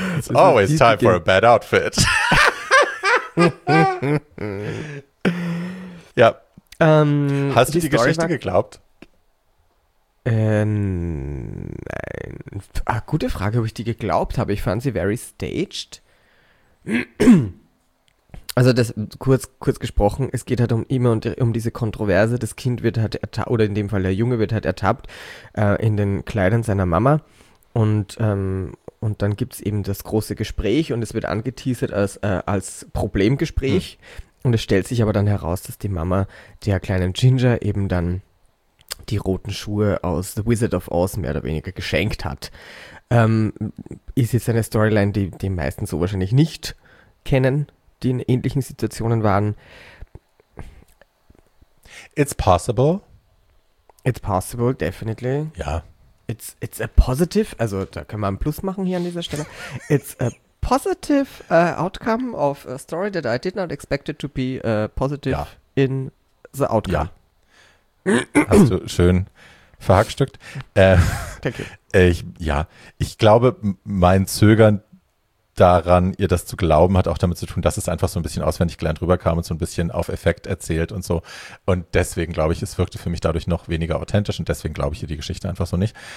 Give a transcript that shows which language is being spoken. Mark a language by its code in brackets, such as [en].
[en] It's always time for a bad outfit. [de] Ja. Hast du die Geschichte geglaubt? Nein. Ah, gute Frage, ob ich die geglaubt habe. Ich fand sie [en] very staged. [de] Also das kurz gesprochen, es geht halt um diese Kontroverse. Das Kind wird halt ertappt, oder in dem Fall der Junge wird halt ertappt, in den Kleidern seiner Mama. Und dann gibt es eben das große Gespräch und es wird angeteasert als Problemgespräch. Hm. Und es stellt sich aber dann heraus, dass die Mama der kleinen Ginger eben dann die roten Schuhe aus The Wizard of Oz mehr oder weniger geschenkt hat. Ist jetzt eine Storyline, die die meisten so wahrscheinlich nicht kennen, die in ähnlichen Situationen waren. [en] It's possible. It's possible, definitely. [de] Ja. [en] It's a positive, [de] also da können wir einen Plus machen hier an dieser Stelle. [en] It's a positive outcome of a story that I did not expect it to be positive ja. in the outcome. Ja. [de] Hast du schön verhackstückt. [en] Thank you. [de] Ich glaube, mein Zögern daran, ihr das zu glauben, hat auch damit zu tun, dass es einfach so ein bisschen auswendig gelernt rüberkam und so ein bisschen auf Effekt erzählt und so. Und deswegen glaube ich, es wirkte für mich dadurch noch weniger authentisch und deswegen glaube ich ihr die Geschichte einfach so nicht.